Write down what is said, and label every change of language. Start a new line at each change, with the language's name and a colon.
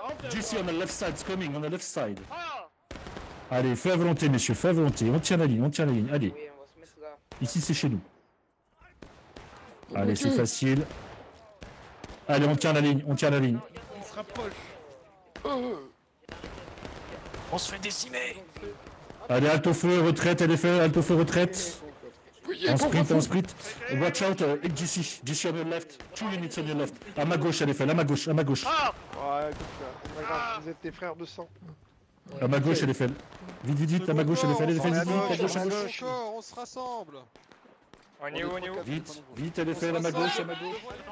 English: JC, on the left side, it's coming, on the left side.
French: Allez, feu à volonté, messieurs, feu à volonté. On tient la ligne, on tient la ligne, allez. Ici, c'est chez nous. Allez, c'est facile. Allez, on tient la ligne, on tient la ligne. On se rapproche. On se fait décimer! Allez, halte au feu, retraite, elle est faite, halte au feu, retraite! En sprint, en sprint!
English: Watch out, JC, JC on your left, two units on your left!
French: À ma gauche, elle est faite, à ma gauche, à ma gauche! Ah! Ouais, écoute, vous êtes tes frères de sang! À ma gauche, elle est faite! Vite, vite, vite, à ma gauche, elle est faite, vite, vite, à gauche, à gauche! On se rassemble! On est où, on est où? Vite, vite, elle est faite, à ma gauche, à ma gauche!